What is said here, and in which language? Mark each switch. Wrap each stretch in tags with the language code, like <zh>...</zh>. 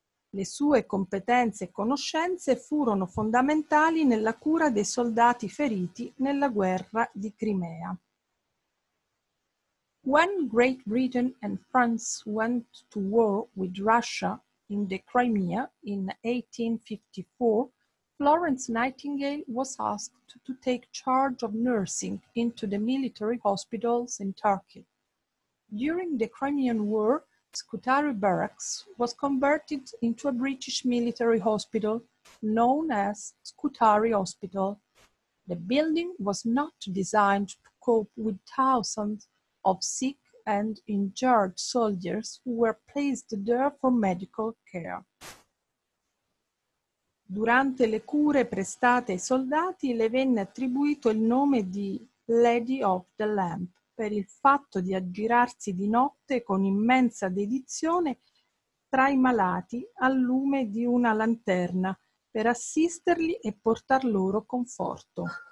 <it>Le sue competenze e conoscenze furono fondamentali nella cura dei soldati feriti nella guerra di Crimea.</it> <en>When Great Britain and France went to war with Russia in the Crimea in 1854, Florence Nightingale was asked to take charge of nursing into the military hospitals in Turkey. During the Crimean War, Scutari Barracks was converted into a British military hospital known as Scutari Hospital. The building was not designed to cope with thousands of sick and injured soldiers who were placed there for medical care.</en> <it>Durante le cure prestate ai soldati le venne attribuito il nome di Lady of the Lamp per il fatto di aggirarsi di notte con immensa dedizione tra i malati al lume di una lanterna per assisterli e portar loro conforto.</it>